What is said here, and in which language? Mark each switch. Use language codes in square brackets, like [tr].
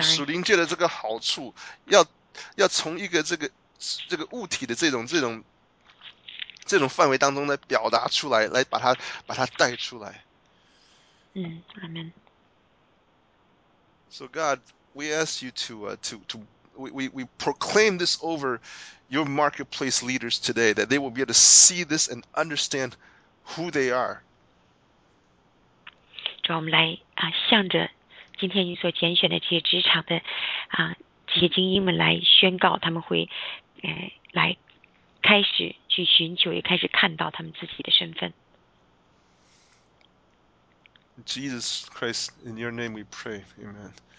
[zh] 属灵界的这个好处要从一个这个物体的这种范围当中来表达出来，来把它带出来。 [en] Amen. So God, we ask you to proclaim this over your marketplace leaders today, that they will be able to see this and understand who they are. [zh] 主要我们来向着今天你所拣选的这些职场的这些精英们来宣告，他们会来。开始去寻求，也开始看到他们自己的身份。 [en] Jesus Christ, in your name we pray, Amen.